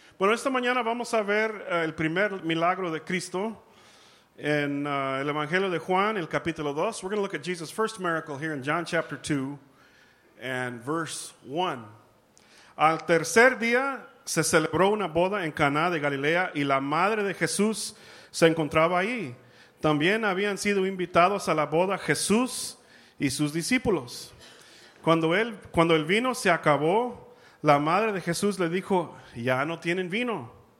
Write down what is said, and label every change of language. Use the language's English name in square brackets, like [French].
[Spanish] Bueno, esta mañana vamos a ver el primer milagro de Cristo en el Evangelio de Juan, el capítulo 2. [English] We're going to look at Jesus' first miracle here in John chapter 2 and verse 1. [Spanish] Al tercer día se celebró una boda en Caná de Galilea y la madre de Jesús se encontraba ahí. También habían sido invitados a la boda Jesús y sus discípulos. Cuando el vino se acabó, la madre de Jesús le dijo, ya no tienen vino.